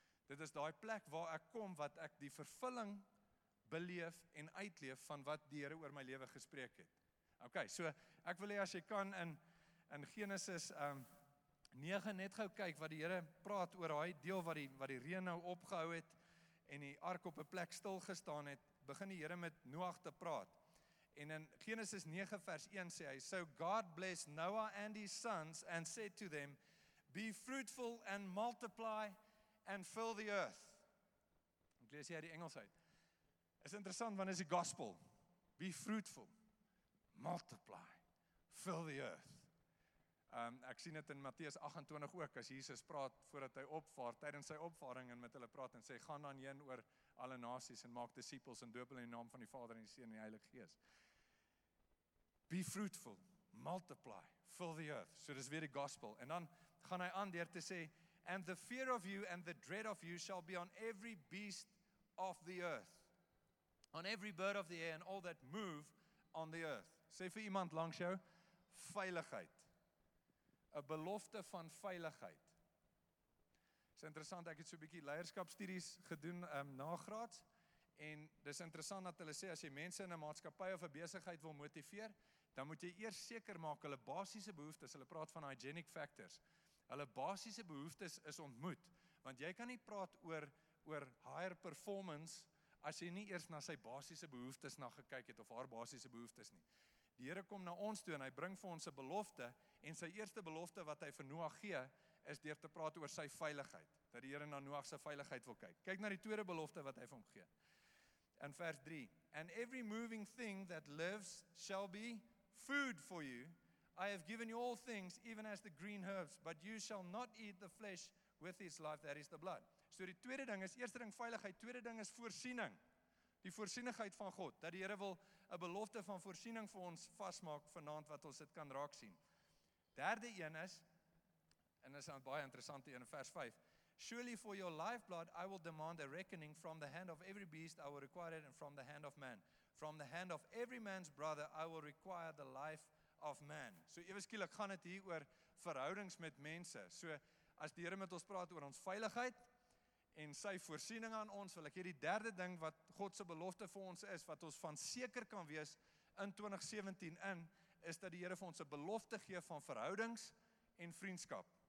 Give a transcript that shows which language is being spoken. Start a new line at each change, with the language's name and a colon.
Afrikaans: Dit is daai plek waar ek kom, wat ek die vervulling beleef en uitleef van wat die Here oor my lewe gespreek het. Ok, so ek wil hê as jy kan in Genesis 9 net gou kyk wat die Here praat oor daai deel wat die reën nou opgehou het en die ark op 'n plek stil gestaan het, begin die Here met Noag te praat. En in Genesis 9 vers 1 sê hy,
English: so God blessed Noah and his sons and said to them, be fruitful and multiply and fill the earth.
Afrikaans: Ek lees hier die Engels uit. Is interessant, want is die gospel.
English: Be fruitful. Multiply, fill the earth.
Afrikaans: Ek sien dit in Matteus 28 ook, as Jesus praat voordat hy opvaar, tydens sy opvaring en met hulle praat en sê, gaan dan heen oor alle nasies en maak disciples en doop hulle in die naam van die Vader en die Seun en die Heilige Gees.
English: Be fruitful, multiply, fill the earth.
Afrikaans: So dis weer die gospel. En dan gaan hy aan deur te sê,
English: and the fear of you and the dread of you shall be on every beast of the earth, on every bird of the air and all that move on the earth.
Afrikaans: Sê vir iemand langs jou, veiligheid. Een belofte van veiligheid. Dis interessant, ek het so 'n bietjie leierskapstudies gedoen nagraads, en dis interessant dat hulle sê, as jy mense in 'n maatskappy of 'n besigheid wil motiveer, dan moet jy eers seker maak, hulle basiese behoeftes, hulle praat van hygienic factors, hulle basiese behoeftes is ontmoet, want jy kan nie praat oor higher performance, as jy nie eers na sy basiese behoeftes na gekyk het, of haar basiese behoeftes nie. Die Here kom na ons toe en hy bring vir ons 'n belofte en sy eerste belofte wat hy vir Noag gee is deur te praat oor sy veiligheid. Dat die Here na Noag se veiligheid wil kyk. Kyk na die tweede belofte wat hy vir hom gee. In vers 3.
English: And every moving thing that lives shall be food for you. I have given you all things even as the green herbs, but you shall not eat the flesh with its life that is the blood.
Afrikaans: So die tweede ding is eerste ding veiligheid, tweede ding is voorsiening. Die voorsienigheid van God, dat die Here wil 'n belofte van voorsiening vir ons vasmaak vanaand wat ons dit kan raak sien. Derde een is, en is een baie interessante een in vers 5,
English: Surely for your lifeblood I will demand a reckoning from the hand of every beast I will require it and from the hand of man. From the hand of every man's brother I will require the life of man.
Afrikaans: So eweskielik gaan dit hier oor verhoudings met mense. So as die Here met ons praat oor ons veiligheid, en sy voorsiening aan ons, wil ek hierdie derde ding wat God se belofte vir ons is, wat ons van seker kan wees in 2017 in, is dat die Here vir ons 'n belofte gee van verhoudings en vriendskap.